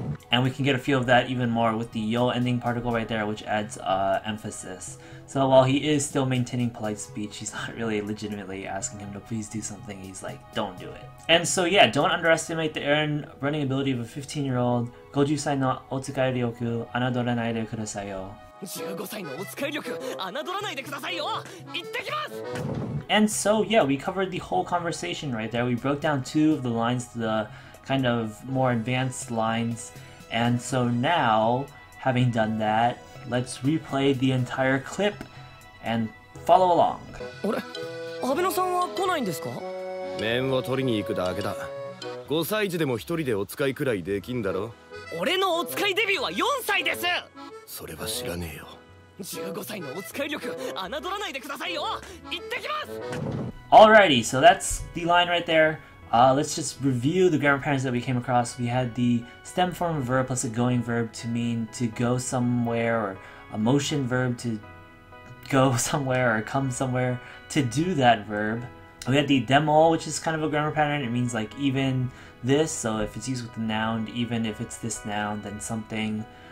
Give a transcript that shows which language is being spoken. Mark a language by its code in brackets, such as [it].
[en] And we can get a feel of that even more with the yo ending particle right there, which adds emphasis. So while he is still maintaining polite speech, he's not really legitimately asking him to please do something. He's like, don't do it. And so yeah, don't underestimate the errand running ability of a 15-year-old. [ja] 50歳のお使い力、侮らないでくださいよ。15歳のお使い力、侮らないでくださいよ。行ってきます! [en] And so yeah, we covered the whole conversation right there. We broke down two of the lines, the kind of more advanced lines. And so now, having done that,Let's replay the entire clip and follow along. [ja] Abeno-san は来ないんですか? 面を取りに行くだけだ。五歳児でも一人でお使いくらいできんだろ? 俺のお使いデビューは四歳です! それは知らねえよ。十五歳のお使い力、侮らないでくださいよ。行ってきます! [en] Alrighty, so that's the line right there. Let's just review the grammar patterns that we came across. We had the stem form of verb plus a going verb to mean to go somewhere, or a motion verb to go somewhere or come somewhere to do that verb. We had the demo, which is kind of a grammar pattern. It means like even this, so if it's used with the noun, even if it's this noun, then something.